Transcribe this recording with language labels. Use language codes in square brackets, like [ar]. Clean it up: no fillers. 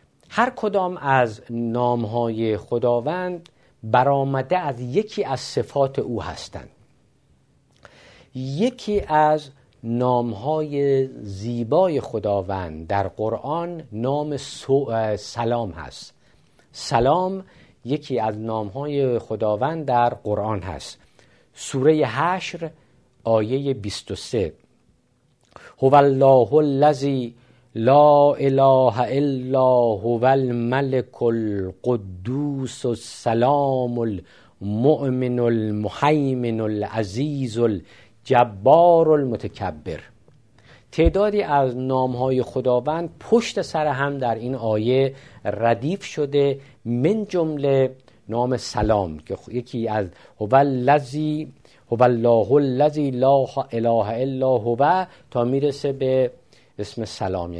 [fa] هر کدام از نام‌های خداوند برآمده از یکی از صفات او هستند. یکی از نام‌های زیبای خداوند در قرآن نام سلام هست. سلام یکی از نام‌های خداوند در قرآن هست. سوره حشر آیه 23، [ar] هو الله الذی لا اله الا هو الملك القدوس السلام المؤمن المهيمن العزيز الجبار المتكبر. [fa] تعدادی از نام‌های خداوند پشت سر هم در این آیه ردیف شده، من جمله نام سلام که یکی از [ar] هو الله الذی لا اله الا هو [fa] تا میرسه به اسم سلام.